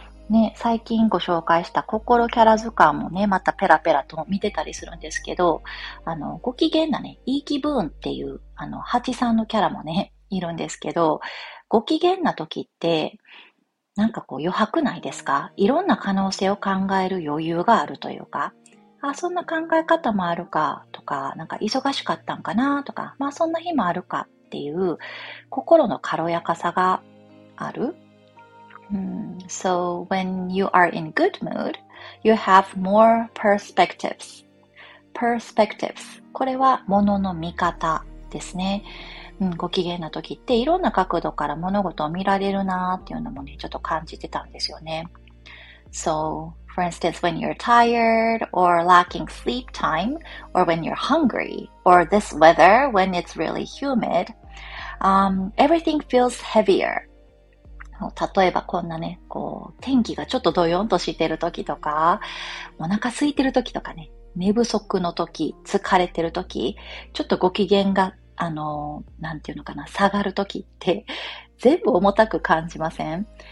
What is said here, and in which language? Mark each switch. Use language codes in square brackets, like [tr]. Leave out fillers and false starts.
[ja] ね、最近ご紹介した心キャラ図鑑もね、またペラペラと見てたりするんですけど、ご機嫌なね、いい気分っていう、ハチさんのキャラもね、いるんですけど、ご機嫌な時って、なんかこう、余白ないですか？いろんな可能性を考える余裕があるというか、あ、そんな考え方もあるかとか、なんか忙しかったんかなとか、まあそんな日もあるかっていう心の軽やかさがある。 [en] So when you are in good mood, you have more perspectives. Perspectives. [ja] これは物の見方ですね。うん、ご機嫌な時っていろんな角度から物事を見られるなっていうのもね、ちょっと感じてたんですよね。 [en] So,For instance, when you're tired or lacking sleep time or when you're hungry or this weather when it's really humid, everything feels heavier. [ja] 例えばこんなね、こう、天気がちょっとどよんとしてる時とか、お腹空いてる時とかね、寝不足の時、疲れてる時、ちょっとご機嫌が、なんていうのかな、下がる時って全部重たく感じません？